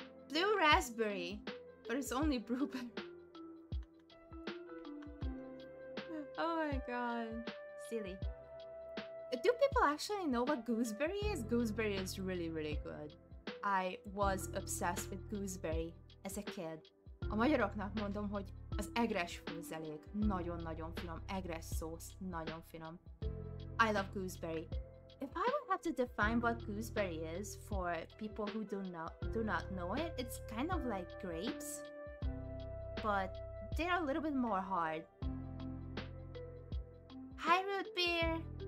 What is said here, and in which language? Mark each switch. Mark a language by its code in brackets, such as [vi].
[en] Blue raspberry, but it's only blueberry. Oh my god, silly. Do people actually know what gooseberry is? Gooseberry is really, really good. I was obsessed with gooseberry as a kid. [hu] A magyaroknak mondom, hogy az egres főzelék nagyon-nagyon finom. Egres sauce, nagyon finom. [en] I love gooseberry. If I would have to define what gooseberry is for people who do not know it, it's kind of like grapes, but they're a little bit more hard. Hi, root beer!